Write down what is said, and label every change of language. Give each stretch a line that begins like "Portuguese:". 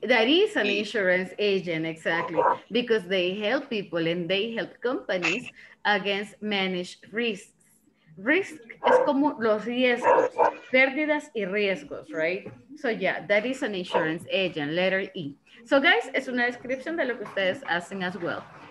English: that is an insurance agent, exactly, because they help people and they help companies against managed risks.
Spanish: Risk es como los riesgos, pérdidas y riesgos, right?
English: So yeah, that is an insurance agent, letter E. So guys,
Spanish: es una descripción de lo que ustedes hacen
English: as well.